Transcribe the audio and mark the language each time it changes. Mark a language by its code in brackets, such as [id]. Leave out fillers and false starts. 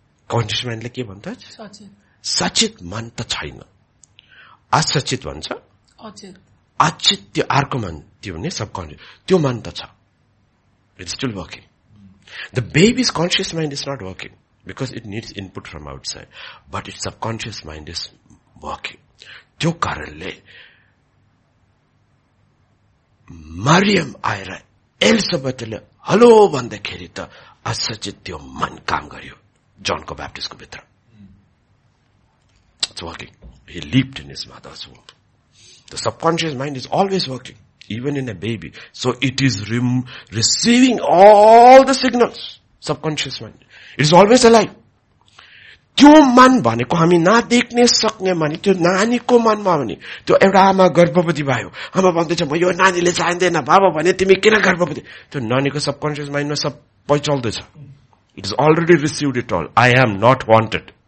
[ne] Conscious माइन्डले के भन्छ सचेत मन त छैन, असचेत भन्छ अचेत, त्यो अर्को मन त्यो भने सबकन्सियस, त्यो मन त छ, [en] It's still working, the baby's conscious mind is not working because it needs input from outside, but its subconscious mind is working. [ne] त्यो कारणले मरियम आएर एलिजाबेथले हेलो भन्दाखेरि त असचेत त्यो मन काम गर्यो जोनको बैप्टिस्टको भित्र, working. [en] He leaped in his mother's womb. The subconscious mind is always working, even in a baby. So it is receiving all the signals. Subconscious mind. It is always alive. [ne] त्यो मन भनेको हामी ना देख्ने सक्ने मन, त्यो नानीको मनमा भने त्यो एउटा आमा गर्भवती भयो, आमा भन्दैछ म यो नानीले चाहिँदैन, बाबा भने तिमी किन गर्भवती, त्यो नानीको सबकन्सियस माइन्डमा सबै चल्दैछ, [en] It is already received it all, I am not wanted.